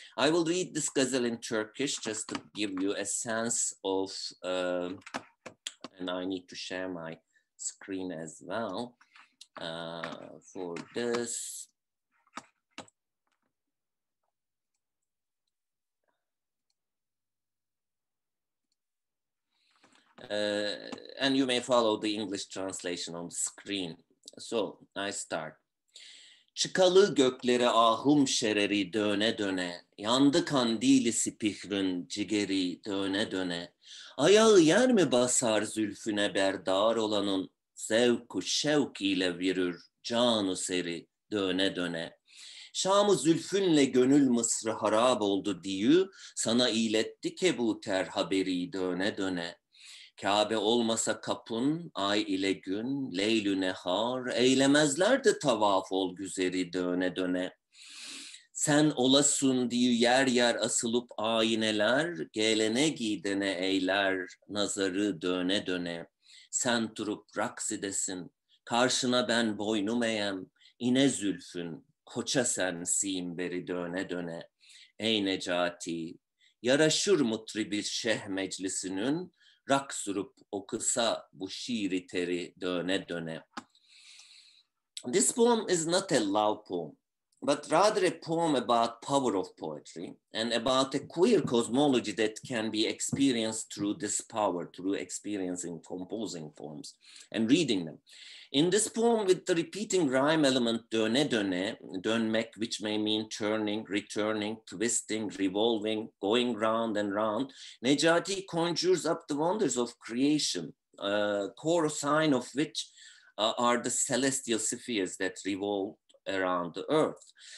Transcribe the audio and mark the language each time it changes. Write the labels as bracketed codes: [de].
[en] I will read this gazelle in Turkish just to give you a sense of, and I need to share my screen as well for this. And you may follow the English translation on the screen. So I start. [tr] Çıkalı göklere ahum şereri döne döne, yandı kandili sipihrin cigeri döne döne, ayağı yer mi basar zülfüne berdar olanın, zevku şevk ile virür canı seri döne döne. Şam-ı zülfünle gönül mısrı harab oldu diyü, sana iletti kebuter haberi döne döne. Kabe olmasa kapın, ay ile gün, leylü nehar, eylemezlerdi tavaf ol güzeri döne döne. Sen olasın diye yer yer asılıp ayneler, gelene gidene eyler nazarı döne döne. Sen durup raks edesin, karşına ben boynum eğem, ine zülfün, koça sen simberi döne döne. Ey Necati, yaraşır mutribi şeh meclisinin, raks durup okusa bu şiiri teri döne döne. [en] This poem is not a love poem, but rather a poem about power of poetry and about a queer cosmology that can be experienced through this power, through experiencing composing poems and reading them. In this poem, with the repeating rhyme element döne döne, dönmek, which may mean turning, returning, twisting, revolving, going round and round, Necati conjures up the wonders of creation, a core sign of which are the celestial spheres that revolve around the earth.